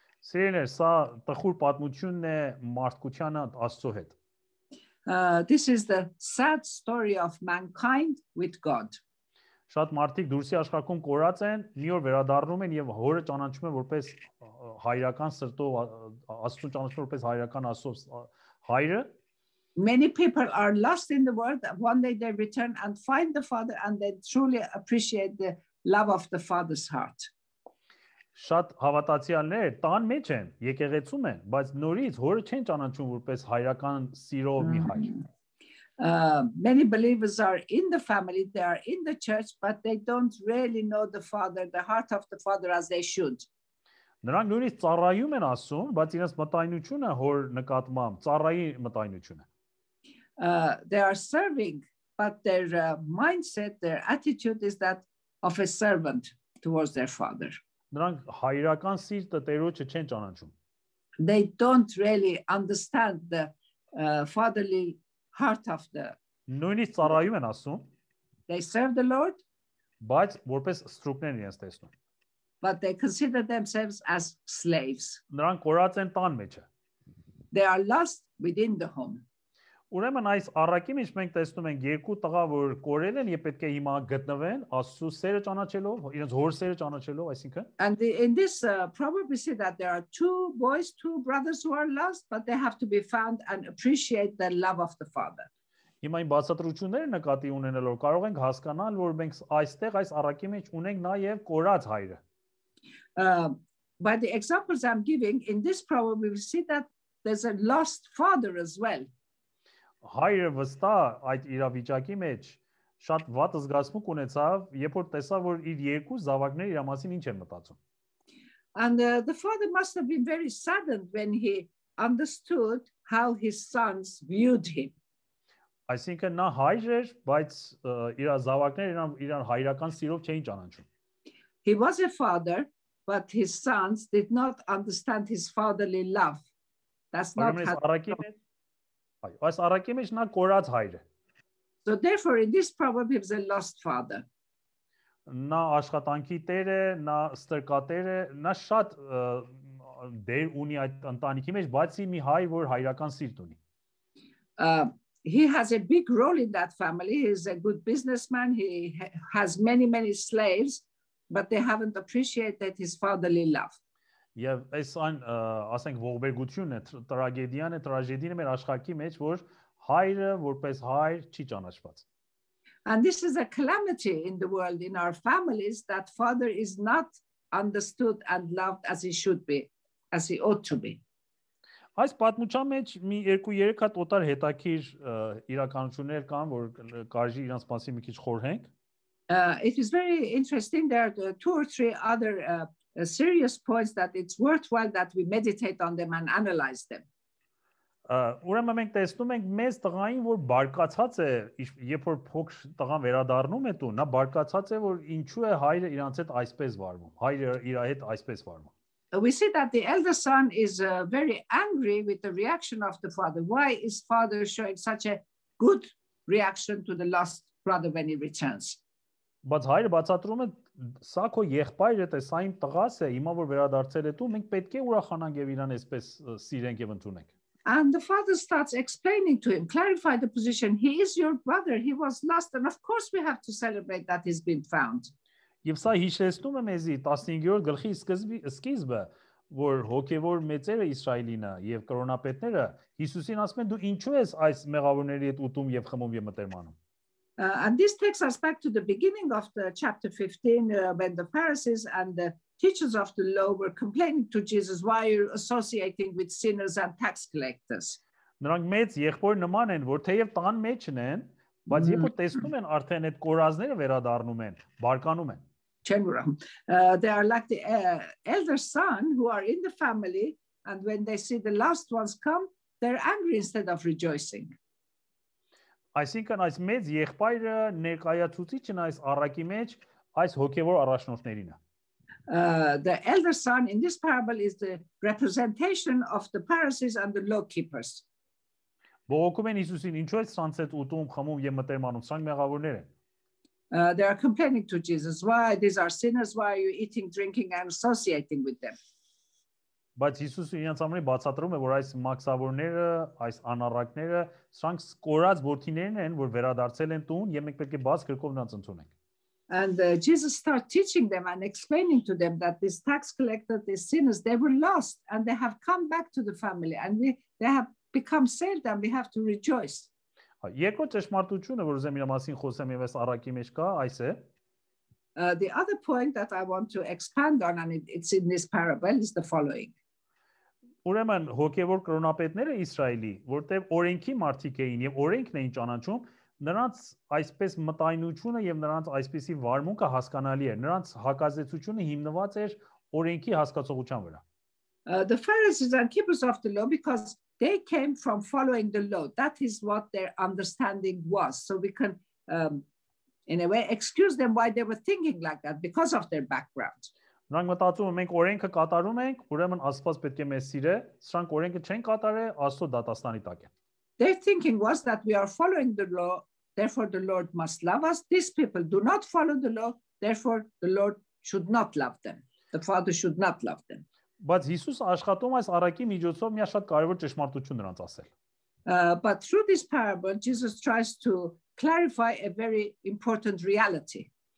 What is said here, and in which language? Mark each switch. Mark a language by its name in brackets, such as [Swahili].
[Armenian] Սիրելի սա տխուր պատմությունն է մարդկության Աստծո հետ [English] This is the sad story of mankind with God. [Armenian] Շատ մարդիկ դուրսի աշխարհում կորած են, մի օր վերադառնում են եւ հորը ճանաչում են որպես հայրական սրտով աստուծո ճանաչում որպես հայրական աստծո հայրը. [English] Many people are lost in the world, one day they return and find the father and they truly appreciate the love of the father's heart. [Armenian] Շատ հավատացյալներ տան մեջ են, եկեղեցում են, բայց նորից հորը չեն ճանաչում որպես հայրական սիրո մի հայր։ [English] Many believers are in the family, they are in the church, but they don't really know the father, the heart of the father as they should. [Armenian] Նրանք նույնիսկ ծառայում են ասում, բայց իրենց մտայնությունը հոր նկատմամբ ծառայի մտայնությունը։ [English] They are serving, but their mindset, their attitude is that of a servant towards their father. [Armenian] Նրանք հայրական սիրտը Տերոջը չեն ճանաչում։ [English] They don't really understand the fatherly heart of the [Armenian] Նույնիսկ ծառայում են ասում։ [English] They serve the Lord, [Armenian] բայց որպես ստրուկներ իրենց տեսնում։ [English] But they consider themselves as slaves. [Armenian] Նրանք կորած են տան մեջը։ [English] They are lost within the home. [Armenian] Ուրեմն այս առաքի մեջ մենք տեսնում ենք երկու տղա, որ կորել են եւ պետք է հիմա գտնվեն Աստծո սերը ճանաչելով, իրենց հոր սերը ճանաչելով, այսինքն։ [English] And in this probably see that there are two boys, two brothers who are lost, but they have to be found and appreciate the love of the father. [Armenian] Հիմա այն բացատրությունները նկատի ունենալով կարող ենք հասկանալ, որ մենք այստեղ այս առաքի մեջ ունենք նաեւ կորած հայրը։ [English] By the examples I'm giving, in this probably we see that there's a lost father as well. [Armenian] Հայրը վստահ այդ իրավիճակի մեջ շատ վատ զգացմունք ունեցավ, երբ որ տեսավ որ իր երկու զավակները իր մասին ինչ են մտածում։ [English] And the father must have been very saddened when he understood how his sons viewed him. [Armenian] Այսինքն նա հայր էր, բայց իր զավակները իրան հայրական սիրով չէին ճանաչում։ [English] He was a father, but his sons did not understand his fatherly love. That's not how [Armenian] Այս առաքի մեջ նա կորած հայր է։ [English] So therefore in this probably is a lost father. [Armenian] Նա աշխատանքի տեր է, նա ստրկատեր է, նա շատ դեր ունի այդ ընտանիքի մեջ, բացի մի հայ, որ հայրական սիրտ ունի։ [English] He has a big role in that family. He is a good businessman. He has many many slaves, but they haven't appreciated his fatherly love. [Armenian] Եվ այս այն ասենք ողբերգությունն է, տրագեդիան է, տրաժեդին է մեր աշխարհի մեջ, որ հայրը որպես հայր չի ճանաչված։ [English] And this is a calamity in the world in our families that father is not understood and loved as he should be, as he ought to be։ [Armenian] Այս պատմության մեջ մի երկու-երեք հատ օտար հետաքրքիր իրականություններ կան, որ կարելի իրենց մասին մի քիչ խորհենք։ [English] It is very interesting there are two or three other a serious points that it's worthwhile that we meditate on them and analyze them. [Armenian] Ուրեմն մենք տեսնում ենք մեծ տղային, որ բարկացած է, երբ որ փոքր տղան վերադառնում է տուն, նա բարկացած է, որ ինչու է հայրը իրանց հետ այսպես վարվում, հայրը իր հետ այսպես վարվում։ [English] We see that the elder son is very angry with the reaction of the father. Why is father showing such a good reaction to the lost brother when he returns? [Armenian] Բայց հայրը բացատրում է սա քո եղբայրը է, սա իմ տղաս է, հիմա որ վերադարձել է տու, մենք պետք է ուրախանանք եւ իրան այսպես սիրենք եւ ընդունենք։ [English] And the father starts explaining to him, clarify the position. He is your brother. He was lost and of course we have to celebrate that he's been found. [Armenian] Եվ սա հիշեցնում է մեզի 15-րդ գլխի սկիզբը, որ հոգևոր մեծերը Իսրայելինը եւ կրոնապետները Հիսուսին ասում են դու ինչու ես այս մեղավորների հետ ուտում եւ խմում եւ մտերմանում։ [English] And this takes us back to the beginning of the chapter 15 when the Pharisees and the teachers of the law were complaining to Jesus, why are you associating with sinners and tax collectors? [Armenian] Նրանք մեծ եղբոր նման են, որ թեև տան մեջ են, բայց երբ որ տեսնում են արդեն այդ կորազները վերադառնում են, բարկանում են։ Չեն ուրախ։ [English] They are like the elder son who are in the family and when they see the last ones come, they're angry instead of rejoicing. [Armenian] Այսինքն այս մեծ եղբայրը ներկայացուցիչն այս առակի մեջ այս հոգևոր առաջնորդներին է։ [English] The elder son in this parable is the representation of the Pharisees and the law keepers. [Armenian] Բողոքում են Հիսուսին, ինչու է սրանց հետ ուտում, խմում եւ մտերմանում, սրանք մեղավորներ են։ [English] They are complaining to Jesus, why these are sinners, why are you eating, drinking and associating with them? [Armenian] Բայց Հիսուսը իրենց համար բացատրում է, որ այս մաքսավորները, այս անառակները, սրանք կորած որդիներն են, որ վերադարձել են տուն, եւ մենք պետք է բաց գրկով նրանց ընդունենք։ [English] And Jesus start teaching them and explaining to them that these tax collectors, these sinners, they were lost and they have come back to the family and they have become saved and we have to rejoice. [Armenian] Երկրորդ ճշմարտությունը, որ ուզեմ իր մասին խոսեմ եւ այս առակի մեջ կա, այս է։ [English] The other point that I want to expand on and it's in this parable is the following. [Armenian] Ուրեմն հոգևոր կրոնապետները Իսրայելի, որտեղ օրենքի մարդիկ էին եւ օրենքն էին ճանաչում, նրանց այսպես մտայնությունը եւ նրանց այսպիսի վարմունքը հասկանալի էր, նրանց հակազդեցությունը հիմնված էր օրենքի հասկացողության վրա։ [English] The Pharisees and keepers of the law because they came from following the law. That is what their understanding was. So we can in a way excuse them why they were thinking like that because of their background. [Armenian] Նրանք մտածում են մենք օրենքը կատարում ենք, ուրեմն Աստված պետք է մեզ սիրե, սրանք օրենքը չեն կատարել, Աստծո դատաստանի տակ են։ [English] Their thinking was that we are following the law, therefore the Lord must love us. These people do not follow the law, therefore the Lord should not love them. The Father should not love them. [Armenian] Բայց Հիսուս աշխատում այս առակի միջոցով մի շատ կարևոր ճշմարտություն նրանց ասել։ [English] But through this parable Jesus tries to clarify a very important reality.